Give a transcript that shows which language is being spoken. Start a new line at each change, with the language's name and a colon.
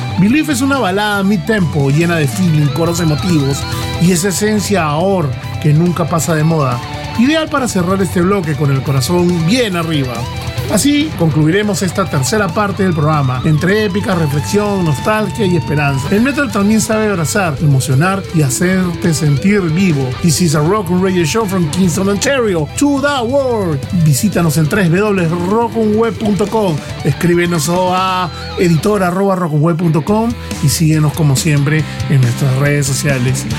Spanish: Believe es una balada mid-tempo llena de feeling, coros emotivos y esa esencia aor que nunca pasa de moda. Ideal para cerrar este bloque con el corazón bien arriba. Así concluiremos esta tercera parte del programa, entre épica reflexión, nostalgia y esperanza. El metal también sabe abrazar, emocionar y hacerte sentir vivo.
English: This is a Rock and Radio Show from Kingston, Ontario, to the world.
Spanish: Visítanos en www.rockandweb.com, escríbenos a editor@rockandweb.com y síguenos como siempre en nuestras redes sociales.